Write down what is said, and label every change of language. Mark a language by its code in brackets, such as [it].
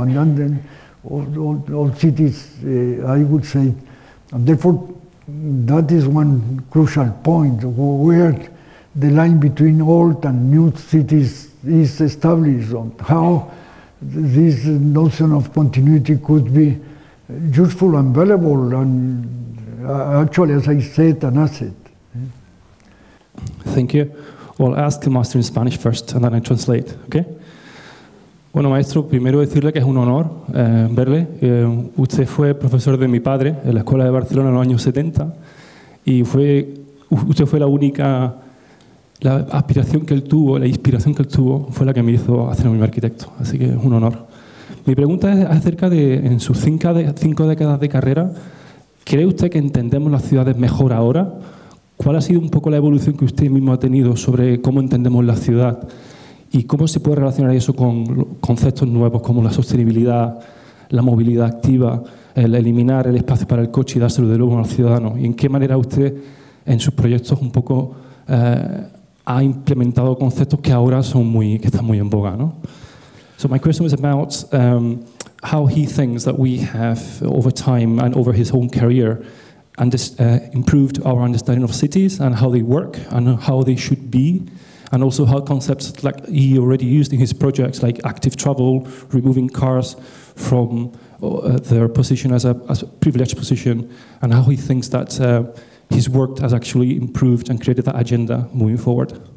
[en] And then all cities, I would say, and therefore that is one crucial point, where the line between old and new cities is established, on how this notion of continuity could be useful and valuable, and actually, as I said, an asset. Thank you. Well, ask the master in Spanish first, and then I translate, okay? [es] Bueno, maestro, primero decirle que es un honor verle. Usted fue profesor de mi padre en la Escuela de Barcelona en los años 70, y usted fue la única, la aspiración que él tuvo, la inspiración que él tuvo, fue la que me hizo hacer a mi arquitecto, así que es un honor. Mi pregunta es acerca de, en sus cinco décadas de carrera, ¿cree usted que entendemos las ciudades mejor ahora? ¿Cuál ha sido un poco la evolución que usted mismo ha tenido sobre cómo entendemos la ciudad? ¿Y cómo se puede relacionar eso con conceptos nuevos como la sostenibilidad, la movilidad activa, el eliminar el espacio para el coche y dárselo de nuevo al ciudadano? ¿Y en qué manera usted, en sus proyectos, un poco ha implementado conceptos que ahora son muy, que están muy en boga, ¿no? [en] So my question was about how he thinks that we have, over time and over his own career, and improved our understanding of cities and how they work and how they should be, and also how concepts like he already used in his projects, like active travel, removing cars from their position as a privileged position, and how he thinks that his work has actually improved and created that agenda moving forward.